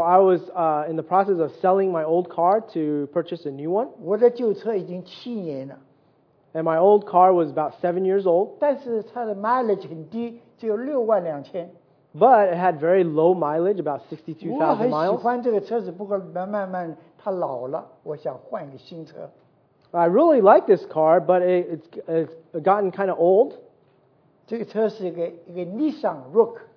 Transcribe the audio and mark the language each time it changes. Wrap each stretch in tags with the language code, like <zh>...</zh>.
<en>I was in the process of selling my old car to purchase a new one.</en> <zh>我的旧车已经七年了。</zh> <en>And my old car was about 7 years old.</en> <zh>但是它的 mileage 很低, 只有62,000.</zh> <en>But it had very low mileage, about 62,000 miles.</en> <zh>我很喜欢这个车子, 不过慢慢它老了, 我想换个新车。</zh> <en>I really like this car, but it's gotten kind of old.</en> <zh>这个车是一个 Nissan Rogue.</zh>